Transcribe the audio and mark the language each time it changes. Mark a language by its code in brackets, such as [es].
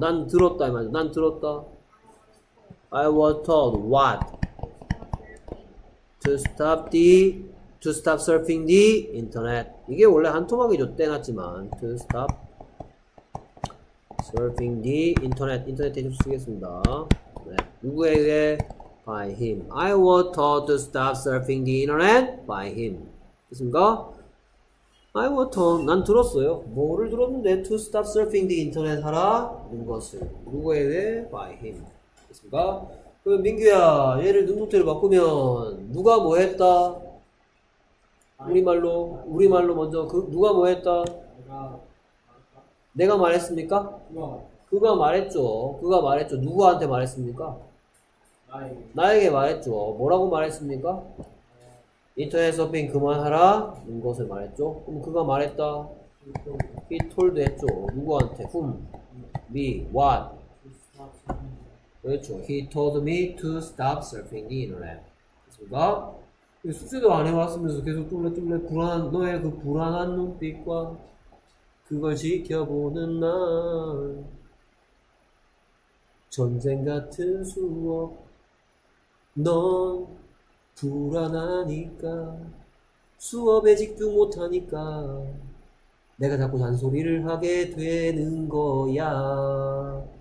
[ko] 난 들었다. 이 말이죠. 난 들었다. [en] I was told what? To stop surfing the internet. [ko] 이게 원래 한 토막이죠. 떼놨지만. To stop surfing the internet. 인터넷 대신 쓰겠습니다. 네. 누구에 의해? [en] By him. I was told to stop surfing the internet by him. [ko] 됐습니까? [en] I was told, [ko] 난 들었어요. 뭐를 들었는데? [en] To stop surfing the internet [ko] 하라는 것을. 누구에게? [en] By him. [ko] 됐습니까? 그럼 민규야, 얘를 능동태로 바꾸면, 누가 뭐 했다? 우리말로 먼저, 누가 뭐 했다? 내가 말했습니까? 그가 말했죠. 그가 말했죠. 누구한테 말했습니까? 나에게 말했죠. 뭐라고 말했습니까? 인터넷 서핑 그만하라 는 것을 말했죠. 그럼 그가 말했다. He told 했죠. 누구한테? [en] Whom? Me. What? [ko] 그렇죠. [en] He told me to stop surfing the internet. [ko] 그렇습니까? 숙제도 안 해봤으면서 계속 뚫래뚫래 불안한 너의 그 불안한 눈빛과 그걸 지켜보는 날 전쟁 같은 수업 넌 불안하니까 수업에 집중 못하니까 내가 자꾸 잔소리를 하게 되는 거야.